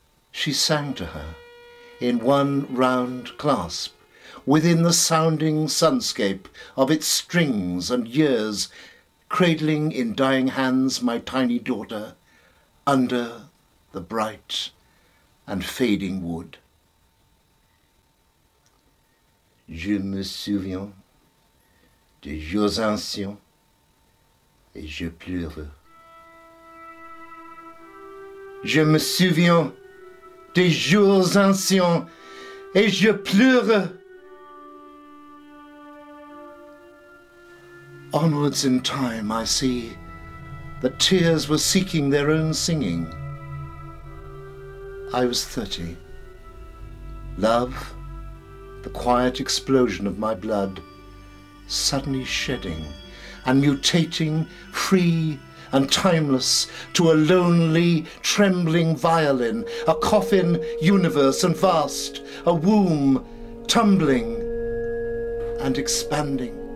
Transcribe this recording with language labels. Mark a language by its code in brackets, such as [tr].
[en] She sang to her in one round clasp, within the sounding sunscape of its strings and years, cradling in dying hands my tiny daughter under the bright and fading wood. [fr] Je me souviens des jours anciens et je pleure. Je me souviens des jours anciens et je pleure. [en] Onwards in time I see the tears were seeking their own singing. I was 30. Love, the quiet explosion of my blood, suddenly shedding and mutating, free and timeless, to a lonely, trembling violin, a coffin universe and vast, a womb tumbling and expanding.